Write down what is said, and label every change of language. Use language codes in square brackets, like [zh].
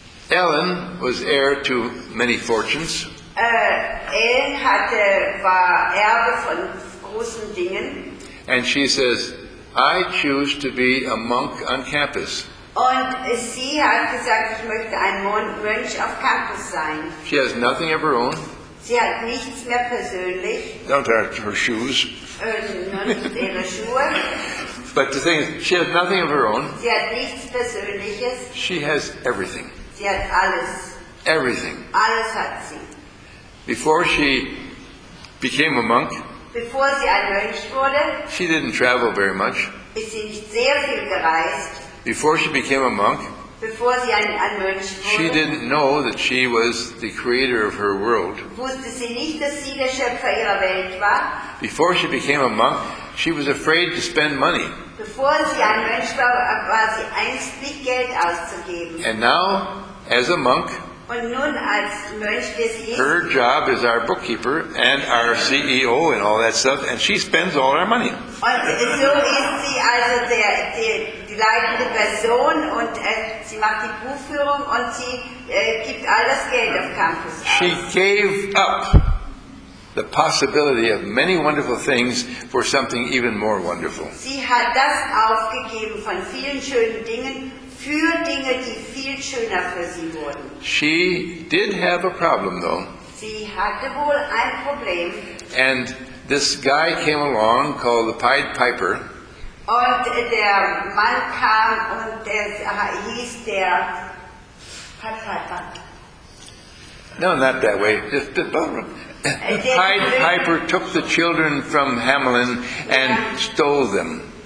[en] Ellen was heir to many fortunes. [de] Ellen war Erbe von großen Dingen. [en] And she says, I choose to be a monk on campus. [de] Und sie hat gesagt, ich möchte ein Mönch auf Campus sein. [en] She has nothing of her own. [de] Sie hat nichts mehr persönlich. [en] Don't hurt her shoes. [de] Nur nicht ihre Schuhe. [en] But the thing is, she has nothing of her own. [de] Sie hat nichts Persönliches. [en] She has everything. [de] Sie hat alles. [en] Everything. [de] Alles hat sie. [en] Before she became a monk, [de] bevor sie ein Mönch wurde, [en] she didn't travel very much. [de] Ist sie nicht sehr viel gereist. [en] Before she became a monk, [de] bevor sie ein Mönch wurde, [en] she didn't know that she was the creator of her world. [de] Wusste sie nicht, dass sie der Schöpfer ihrer Welt war. [en] Before she became a monk, she was afraid to spend money. [de] Bevor sie ein Mönch war sie ängstlich, Geld auszugeben. [en] And now, as a monk, [de] und nun als Mönch, wie sie ist, [en] her job is our bookkeeper and our CEO and all that stuff, and she spends all our money. [de] Und so ist sie also die leitende Person und sie macht die Buchführung und sie gibt all das Geld auf Campus. [en] She gave up the possibility of many wonderful things for something even more wonderful. [de] Sie hat das aufgegeben von vielen schönen Dingen für Dinge, die viel schöner für sie wurden. [en] She did have a problem, though. [de] Sie hatte wohl ein Problem. [en] And this guy came along called the Pied Piper. [de] Und der Mann kam und hieß der Pied Piper. [en] No, not that way. Just the ballroom. Pied Piper took the children from Hamelin and stole them.